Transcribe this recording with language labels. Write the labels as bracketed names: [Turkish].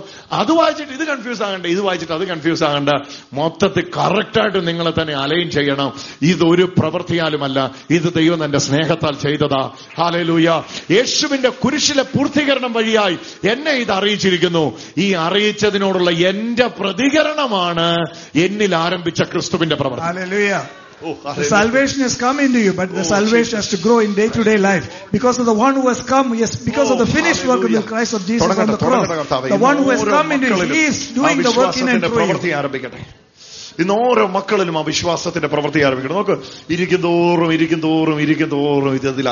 [Malayalam] അപ്പൊ അത് വായിച്ചിട്ട് ഇത് കൺഫ്യൂസ് ആകണ്ട, ഇത് വായിച്ചിട്ട് അത് കൺഫ്യൂസ് ആകണ്ട, മൊത്തത്തിൽ കറക്റ്റായിട്ട് നിങ്ങളെ തന്നെ അലൈൻ ചെയ്യണം. ഇതൊരു പ്രവൃത്തിയാലുമല്ല, ഇത് ദൈവം തന്റെ സ്നേഹത്താൽ ചെയ്തതാ. ഹല്ലേലൂയ, യേശുവിന്റെ കുരിശിലെ പൂർത്തീകരണം വഴിയായി എന്നെ ഇത് അറിയിച്ചിരിക്കുന്നു. ഈ അറിയിച്ചതിനോടുള്ള എന്റെ പ്രതികരണമാണ് എന്നിൽ ആരംഭിച്ച ക്രിസ്തുവിന്റെ പ്രവൃത്തി. [English] The salvation has come into you, but the salvation has to grow in day to day life because of the one who has come, yes, because of the finished work of the Christ of Jesus on the cross. The one who has come into you, he is doing the work in and through you. [Malayalam] ഇന്ന് ഓരോ മക്കളിലും ആ വിശ്വാസത്തിന്റെ പ്രവൃത്തി ആരംഭിക്കണം. നോക്ക്, ഇരിക്കുന്തോറും ഇരിക്കുന്തോറും ഇരിക്കുന്തോറും ഇത് അതിൽ